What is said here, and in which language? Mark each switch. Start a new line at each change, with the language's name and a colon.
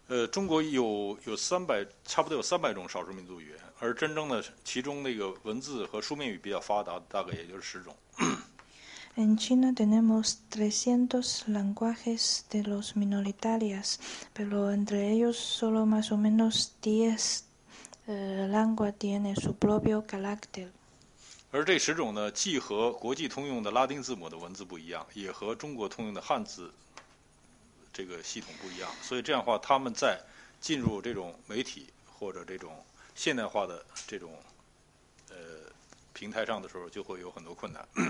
Chinese: 中国有300，差不多有300种少数民族语言，而真正的其中那个文字和书面语比较发达，大概也就是10种。
Spanish: En China tenemos 300 lenguajes de los minoritarias, pero entre ellos solo más o menos 10 lenguas tiene su propio carácter.
Chinese: 而这十种呢，既和国际通用的拉丁字母的文字不一样，也和中国通用的汉字这个系统不一样，所以这样的话，他们在进入这种媒体或者这种现代化的这种平台上的时候，就会有很多困难。